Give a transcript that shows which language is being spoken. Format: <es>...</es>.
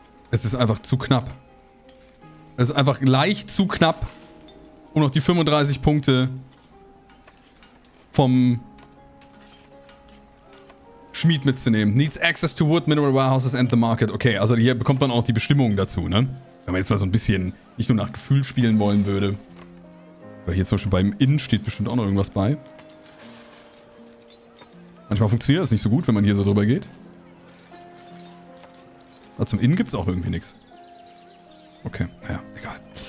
<de>Es ist einfach zu knapp. Es ist einfach leicht zu knapp, um noch die 35 Punkte vom Schmied mitzunehmen.</de> <en>Needs access to wood, mineral warehouses and the market.</en> <de>Okay, also hier bekommt man auch die Bestimmungen dazu, ne? Wenn man jetzt mal so ein bisschen nicht nur nach Gefühl spielen wollen würde. Oder hier zum Beispiel beim Inn steht bestimmt auch noch irgendwas bei. Manchmal funktioniert das nicht so gut, wenn man hier so drüber geht. Aber zum Inn gibt es auch irgendwie nichts. Okay, naja, egal.</de>